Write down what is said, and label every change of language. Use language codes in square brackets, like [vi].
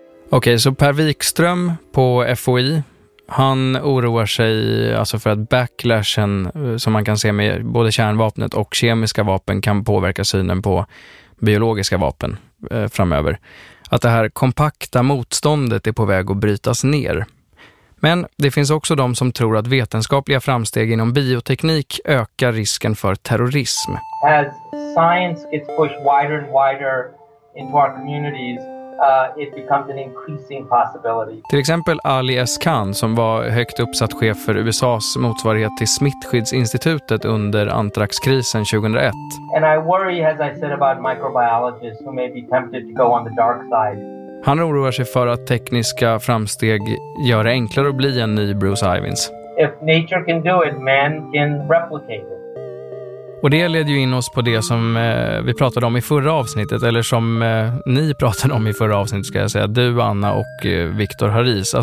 [sv] Okej, så Per Wikström på FOI, han oroar sig alltså för att backlashen som man kan se med både kärnvapnet och kemiska vapen kan påverka synen på biologiska vapen framöver. Att det här kompakta motståndet är på väg att brytas ner. Men det finns också de som tror att vetenskapliga framsteg inom bioteknik ökar risken för terrorism. [en] As science gets pushed wider and wider into our communities, it becomes an increasing possibility. [sv] Till exempel Ali S. Khan, som var högt uppsatt chef för USA:s motsvarighet till smittskyddsinstitutet under antraxkrisen 2001. [en] And I worry, as I said, about microbiologists who may be tempted to go on the dark side. [sv] Han oroar sig för att tekniska framsteg gör det enklare att bli en ny Bruce Ivins. [en] If nature can do it, man can replicate it. [sv] Och det leder ju in oss på det som vi pratade om i förra avsnittet, eller som ni pratade om i förra avsnittet, ska jag säga, du Anna och Viktor Haris.